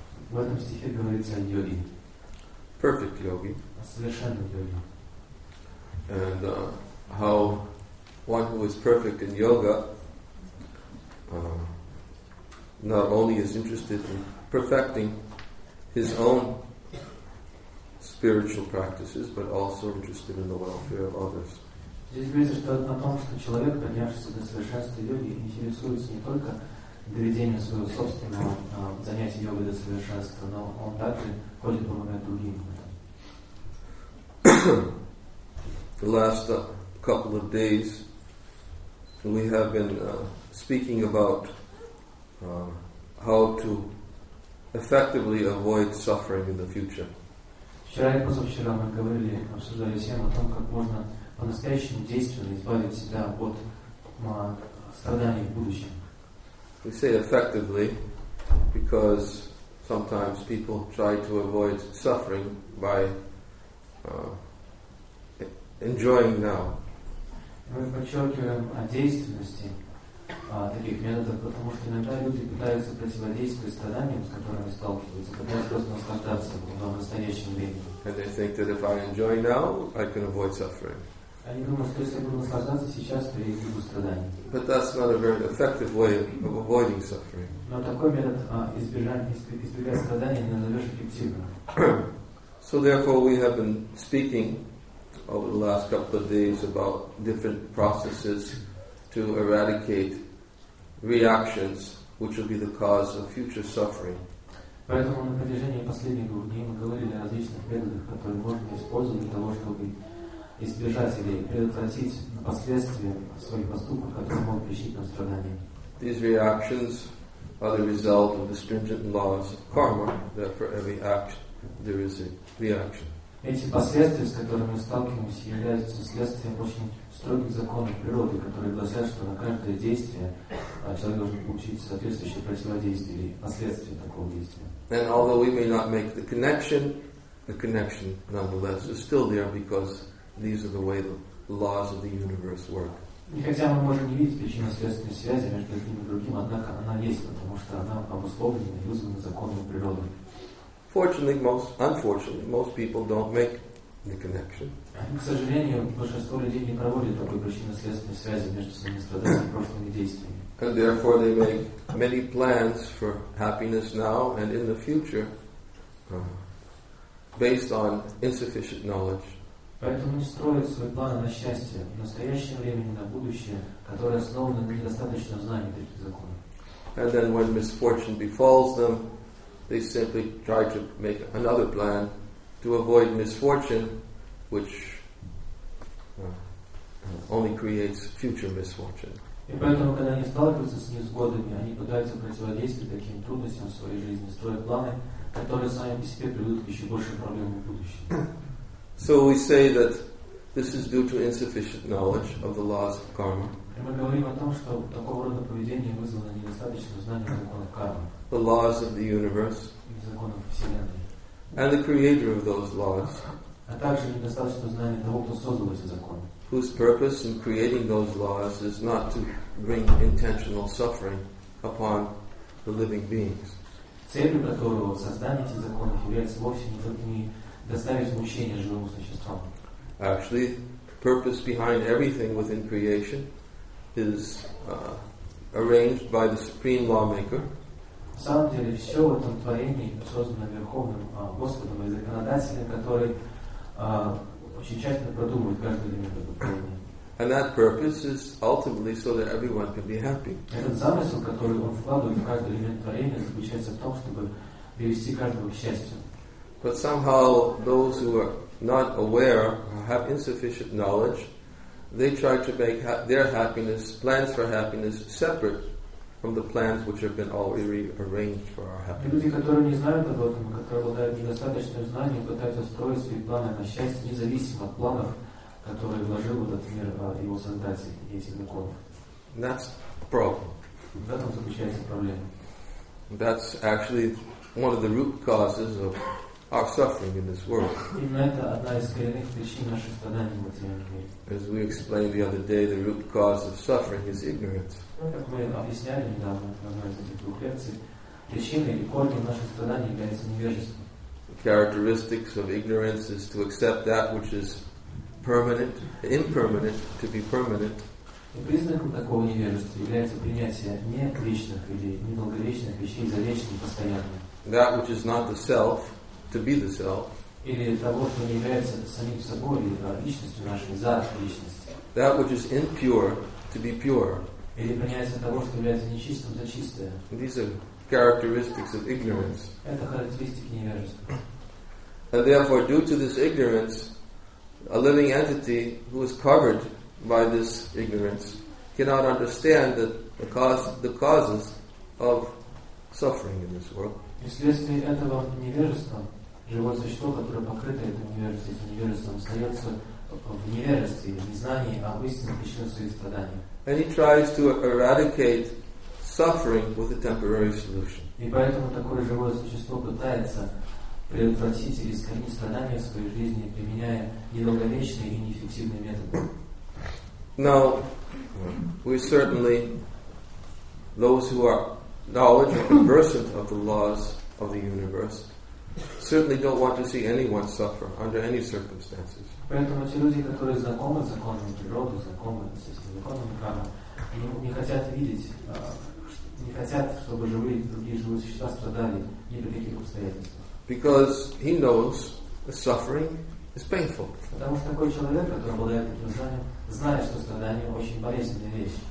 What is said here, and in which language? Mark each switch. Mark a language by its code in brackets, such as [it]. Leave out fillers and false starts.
[ru] В этом стихе говорится о йоге. [en] Perfect yogi. [ru] О совершенном йоге. [en] And how one who is perfect in yoga not only is interested in perfecting his own spiritual practices, but also interested in the welfare of others. [ru] Здесь говорится, что о том, что человек, поднявшийся до совершенства йоги, интересуется не только доведением своего собственного занятия йоги до совершенства, но он также хочет помогать другим. [en] The last couple of days we have been speaking about how to effectively avoid suffering in the future. [ru] Вчера и позавчера мы говорили, обсуждали всем о том, как можно по-настоящему действенно избавить себя от страданий в будущем. [en] We say effectively, because sometimes people try to avoid suffering by enjoying now. [ru] Мы подчеркиваем о действенности таких методов, потому что иногда люди пытаются противодействовать страданиям, с которыми сталкиваются, пытаются просто наслаждаться в настоящем времени. [en] And they think that if I enjoy now, I can avoid suffering. [ru] Они думают, что если буду наслаждаться сейчас, то я не буду страдать. [en] But that's not a very effective way of avoiding suffering. [ru] Но такой метод избегать страданий не назовешь эффективным. [en] So therefore, we have been speaking over the last couple of days about different processes to eradicate reactions, which will be the cause of future suffering. [ru] Поэтому на протяжении последних двух дней мы говорили о различных методах, которые можно использовать для того, чтобы избежать или предотвратить последствия своих поступков, которые могут причинить нам страдания. [en] These reactions are the result of the stringent laws of karma, that for every action there is a reaction. [ru] Эти последствия, с которыми мы сталкиваемся, являются следствием очень строгих законов природы, которые гласят, что на каждое действие а человек должен получить соответствующее противодействие или последствия такого действия. [en] And although we may not make the connection nonetheless is still there because these are the way the laws of the universe work. [ru] И хотя мы можем не видеть причинно-следственной связи между одним и другим, однако она есть, потому что она обусловлена и вызвана законом природы. [en] Fortunately, unfortunately, most people don't make the connection. [ru] К сожалению, большинство людей не проводят такой причинно-следственной связи между своими страданиями и прошлыми действиями. [en] And therefore, they make many plans for happiness now and in the future, based on insufficient knowledge. [ru] Поэтому не строят свои планы на счастье в настоящее время и на будущее, которые основаны на недостаточном знании таких законов. [en] And then, when misfortune befalls them, they simply try to make another plan to avoid misfortune, which only creates future misfortune. [ru] И поэтому, когда они сталкиваются с невзгодами, они пытаются противодействовать таким трудностям в своей жизни, строят планы, которые сами по себе приведут к еще большим проблемам в будущем. [en] So we say that this is due to insufficient knowledge of the laws of karma. [ru] И мы говорим о том, что такого рода поведение вызвано недостаточным знанием законов кармы. [en] The laws of the universe. [ru] И законов вселенной. [en] And the creator of those laws. [ru] А также недостаточное знание того, кто создал эти законы. [en] Whose purpose in creating those laws is not to bring intentional suffering upon the living beings. [ru] Целью которого создание этих законов является вовсе не только не доставить мучения живому существу. [en] Actually, the purpose behind everything within creation is arranged by the supreme lawmaker. [ru] На самом деле, все в этом творении создано Верховным Господом и законодателем, который очень тщательно продумывает каждый элемент этого творения. [en] And that purpose is ultimately so that everyone can be happy. [ru] Этот замысел, который он вкладывает в каждый элемент творения, заключается в том, чтобы привести каждого к счастью. [en] But somehow those who are not aware or have insufficient knowledge, they try to make their happiness, plans for happiness, separate from the plans which have been already arranged for our happiness. [ru] Люди, которые не знают об этом, которые обладают недостаточным знанием, пытаются строить свои планы на счастье независимо от планов, которые вложил этот мир его создатель, эти законы. [en] That's the problem. [ru] В этом заключается проблема. [en] That's actually one of the root causes of our suffering in this world. As we explained the other day, the root cause of suffering is ignorance. The characteristics of ignorance is to accept that which is permanent, impermanent, to be permanent. [ru] И признаком такого невежества является принятие не вечных или недолговечных вещей за вечные, постоянные. [en] That which is not the self, to be the self. [ru] Или того, что не является самим собой, или личностью нашей, за личность. [en] That which is impure, to be pure. [ru] Или принятие того, что является нечистым, за чистое. [en] These are characteristics of ignorance. [ru] Это характеристики невежества. [en] And therefore, due to this ignorance, a living entity who is covered by this ignorance cannot understand that the causes of suffering in this world. [ru] Вследствие этого невежества живое существо, которое покрыто этим невежеством, остается в невежестве, в незнании об истинных причинах своих страданий. [en] And he tries to eradicate suffering with a temporary solution. [ru] И поэтому такое живое существо пытается предотвратить или искоренить страдания в своей жизни, применяя недолговечные и неэффективные методы. [en] Now, we certainly, those who are knowledgeable, conversant of the laws of the universe, certainly don't want to see anyone suffer under any circumstances. [ru] Поэтому те люди, которые знакомы с законами природы, знакомы с законами кармы, не хотят видеть, не хотят, чтобы живые другие живые существа страдали ни при каких обстоятельствах. [en] Because he knows the suffering is painful. [ru] Потому что такой человек, который обладает таким знанием, знает, что страдание очень болезненная вещь.